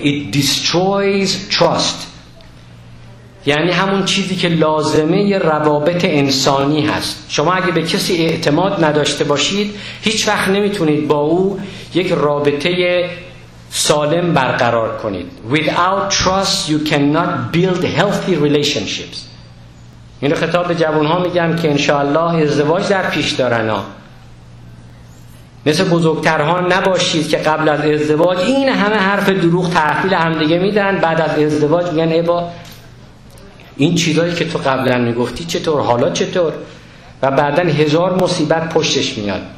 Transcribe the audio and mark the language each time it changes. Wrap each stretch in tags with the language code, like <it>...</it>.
<en>It destroys trust.</en> <fa>یعنی همون چیزی که لازمه یه روابط انسانی هست. شما اگه به کسی اعتماد نداشته باشید، هیچ وقت نمیتونید با او یک رابطه سالم برقرار کنید.</fa> <en>Without trust you cannot build healthy relationships.</en> <fa>این خطاب به جوانها میگم که انشاءالله ازدواج در پیش دارن. مثل بزرگترها نباشید که قبل از ازدواج این همه حرف دروغ تحویل همدیگه میدن، بعد از ازدواج میگن ای با این چیزایی که تو قبلا میگفتی چطور، حالا چطور، و بعدن هزار مصیبت پشتش میاد.</fa>